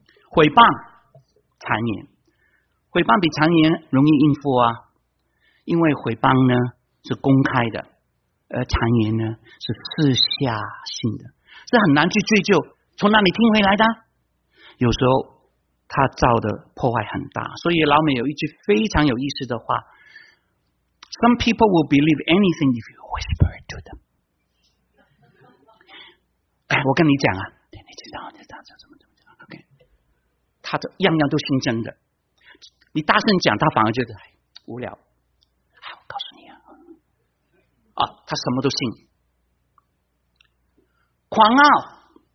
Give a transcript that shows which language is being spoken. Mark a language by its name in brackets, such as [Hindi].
[Chinese] 毁谤、谗言，毁谤比谗言容易应付啊，因为毁谤呢是公开的，而谗言呢是私下性的，是很难去追究从哪里听回来的。有时候他造的破坏很大，所以老美有一句非常有意思的话。 [English] Some people will believe anything if you whisper it to them. [Chinese] 哎，我跟你讲啊，你知道，怎么 ？OK， 他的样样都心真的，你大声讲，他反而觉得、哎、无聊。哎，我告诉你啊，他什么都信。狂傲，